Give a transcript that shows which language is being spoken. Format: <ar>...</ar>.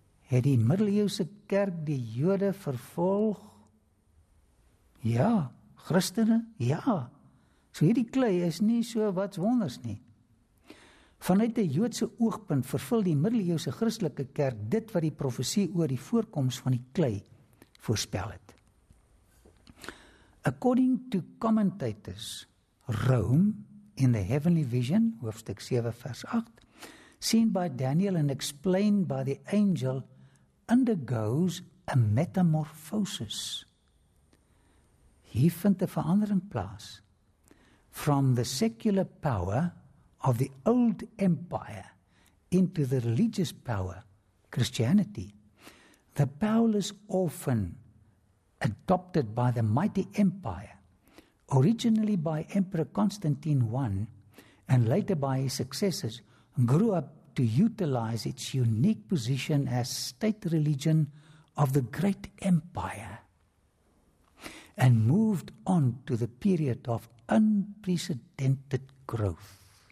<af>Het die middeleeuwse kerk die Jode vervolg? Ja, Christene, ja. So hierdie klei is nie so wat wonders nie. Vanuit die Joodse oogpunt vervul die middeleeuwse Christelike kerk dit wat die profesie oor die voorkoms van die klei voorspel het.</af> <en>According to commentators, Rome in the Heavenly Vision,</en> <af>hoofstuk 7 vers 8,</af> <en>seen by Daniel and explained by the angel, undergoes a metamorphosis.</en> <af>Hier vind 'n verandering plaas.</af> <en>From the secular power of the old empire into the religious power, Christianity, the powerless orphan adopted by the mighty empire, originally by Emperor Constantine I and later by his successors, grew up to utilize its unique position as state religion of the great empire, and moved on to the period of unprecedented growth.</en>